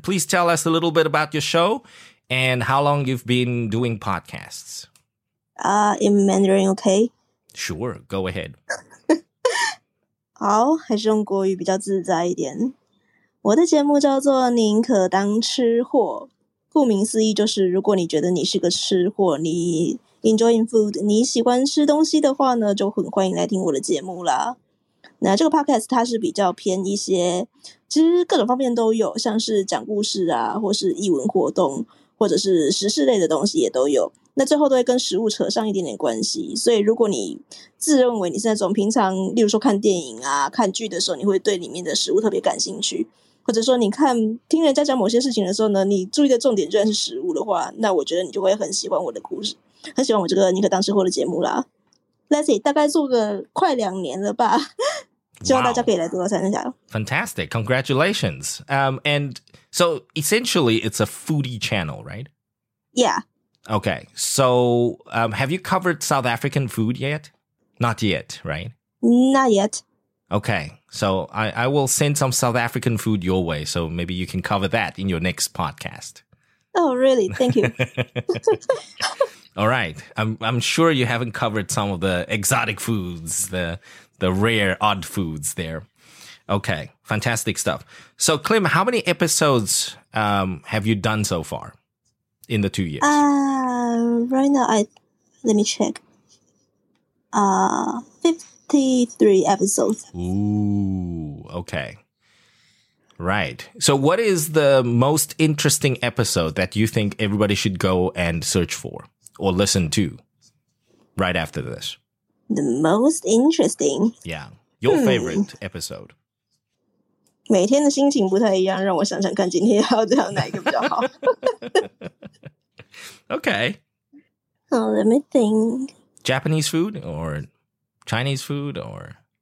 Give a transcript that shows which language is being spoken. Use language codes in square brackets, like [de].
[en] Please tell us a little bit about your show and how long you've been doing podcasts. In Mandarin, okay? Sure, go ahead. [zh] 好，还是用国语比较自在一点。我的节目叫做《宁可当吃货》，顾名思义就是，如果你觉得你是个吃货，你 enjoying food，你喜欢吃东西的话呢，就很欢迎来听我的节目啦。那这个 podcast 它是比较偏一些，其实各种方面都有，像是讲故事啊，或是艺文活动，或者是时事类的东西也都有。那最后都会跟食物扯上一点点关系，所以如果你自认为你是那种平常例如说看电影啊看剧的时候你会对里面的食物特别感兴趣，或者说你看听人家讲某些事情的时候呢，你注意的重点居然是食物的话，那我觉得你就会很喜欢我的故事，很喜欢我这个宁可当吃货的节目啦。 Let's see，大概做个快两年了吧。希望大家可以来多多参加。 [en] Fantastic, congratulations. And so essentially it's a foodie channel, right? Yeah. Okay, so have you covered South African food yet? Not yet, right? Not yet. Okay, so I will send some South African food your way, so maybe you can cover that in your next podcast. Oh, really? Thank you. All right, I'm sure you haven't covered some of the exotic foods, the rare, odd foods there. Okay, fantastic stuff. So, Clem, how many episodes have you done so far? In the 2 years? Right now, let me check. 53 episodes. Ooh, okay. Right. So what is the most interesting episode that you think everybody should go and search for or listen to right after this? The most interesting? Yeah. Your favorite episode. [zh] 每天的心情不太一样，让我想想看今天要讲哪一个比较好。 [en] Okay. Oh, let me think. Japanese food or Chinese food or?